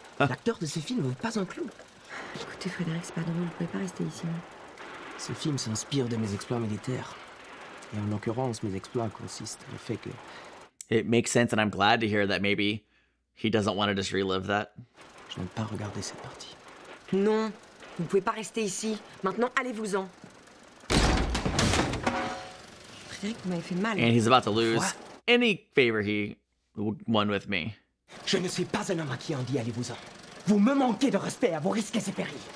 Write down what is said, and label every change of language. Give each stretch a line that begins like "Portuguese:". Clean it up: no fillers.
French: L'acteur de ces films vaut pas un clou. Écoutez, Frédéric, c'est pas drôle, vous pouvez pas rester ici. Ce film s'inspire de mes exploits militaires. Et en l'occurrence, mes exploits consistent au fait que...
English: It makes sense, and I'm glad to hear that maybe he doesn't want to just relive that.
French: Je n'aime pas regarder cette partie. Non. Vous ne pouvez pas rester ici. Maintenant, allez-vous-en. Frédéric, vous m'avez fait mal.
English: And he's about to lose any favor he won with me.
French: Je ne suis pas un homme à qui on dit allez-vous-en. Vous me manquez de respect à vos risques et périls.